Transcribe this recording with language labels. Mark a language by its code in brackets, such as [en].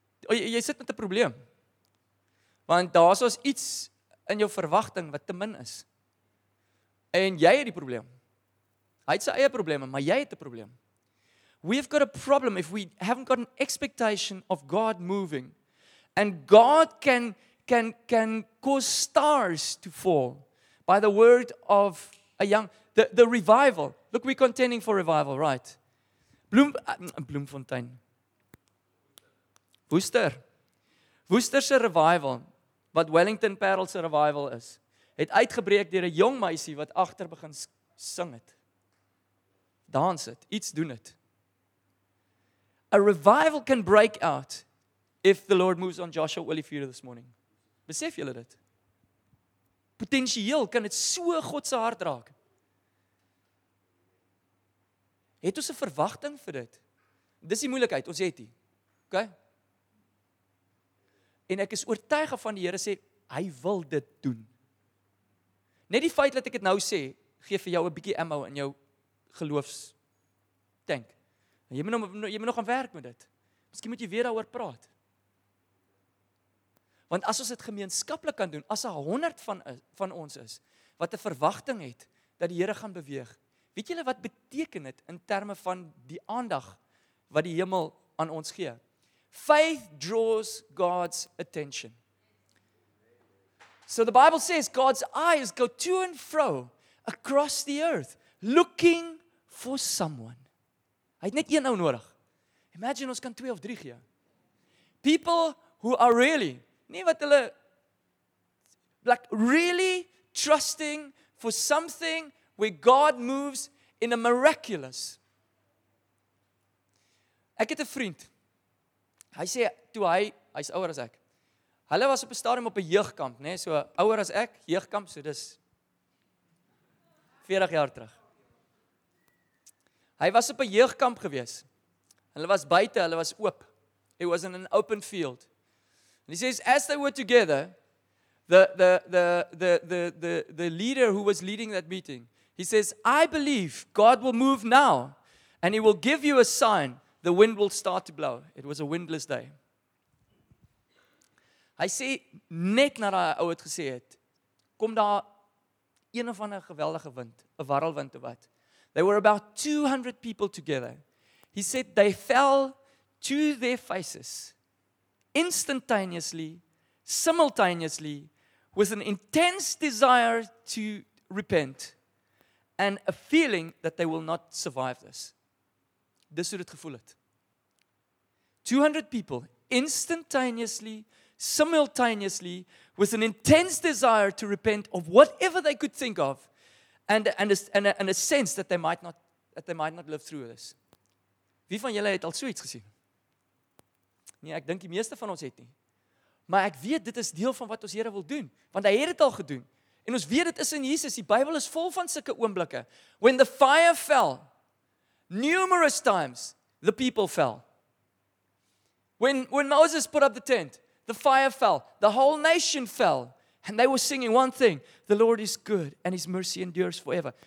[af] O, jy sit met 'n probleem. Want daar's ons iets in jou verwagting wat te min is. En jy het die probleem. Hy het sy eie probleme, maar jy het 'n probleem. [en] We've got a problem if we haven't got an expectation of God moving. And God can cause stars to fall by the word of a young... The revival. Look, we're contending for revival, right? Bloemfontein. Worcester. [af] Worcester's revival, wat Wellington Paarl's revival is, het uitgebreek deur 'n jong meisie wat agter begin sing het. Dans het, iets doen het. [en] A revival can break out if the Lord moves on Joshua Olivier this morning. [af] Besef julle dit? Potensieel kan dit so God se hart raak. Het ons 'n verwagting vir dit? Dis die moeilikheid, ons het dit. Okay? En ek is oortuig van die Here sê hy wil dit doen. Net die feit dat ek dit nou sê, gee vir jou 'n bietjie ammo in jou geloofs tank. Jy moet nog aan werk met dit. Miskien moet jy weer daaroor praat. Want as ons dit gemeenskaplik kan doen, as 100 van ons is, wat 'n verwagting het, dat die Here gaan beweeg. Weet julle wat beteken dit in terme van die aandag wat die hemel aan ons gee? [en] Faith draws God's attention. So the Bible says God's eyes go to and fro across the earth, looking for someone. [af] Hy het net een ou nodig. [en] Imagine [af] ons kan 2 of 3 gee. [en] People who are really, [af] nie wat hulle, [en] like really trusting for something where God moves in a miraculous. [af] Ek het 'n vriend. Hy sê, toe hy is ouer as ek. Hulle was op 'n stadium op 'n jeugkamp, nê? So ouer as ek, jeugkamp, so dis 40 jaar terug. Hy was op 'n jeugkamp gewees. Hulle was buite, hulle was oop. [en] It was in an open field. And he says, as they were together, the leader who was leading that meeting, he says, I believe God will move now and he will give you a sign. The wind will start to blow. It was a windless day. [af] Hy sê, net na die ou het gesê het, kom daar een of ander geweldige wind, 'n warrelwind of wat. [en] There were about 200 people together. He said they fell to their faces instantaneously, simultaneously, with an intense desire to repent and a feeling that they will not survive this. [af] Dis hoe dit gevoel het. [en] 200 people instantaneously, simultaneously, with an intense desire to repent of whatever they could think of, and a sense that they might not live through this. [af] Wie van julle het al so iets gesien? Nee, ek dink die meeste van ons het nie. Maar ek weet dit is deel van wat ons Here wil doen, want hy het dit al gedoen. En ons weet dit is in Jesus. Die Bybel is vol van sulke oomblikke. [en] When the fire fell, numerous times the people fell. When Moses put up the tent, the fire fell, the whole nation fell, and they were singing one thing, the Lord is good and his mercy endures forever.